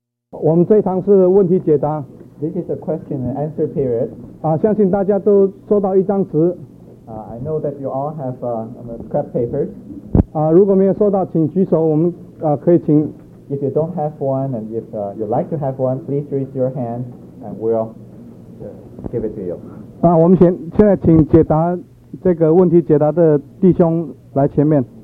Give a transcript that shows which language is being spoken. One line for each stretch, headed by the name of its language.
Chinese: 我们这一堂是问题解答。
English: This is a question and answer period.
Chinese: 啊，相信大家都收到一张纸。
English: I know that you all have a scrap paper.
Chinese: 啊，如果没有收到，请举手，我们可以请。
English: If you don't have one and if you like to have one, please raise your hand and we'll give it to you.
Chinese: 啊，我们现在请解答这个问题解答的弟兄来前面。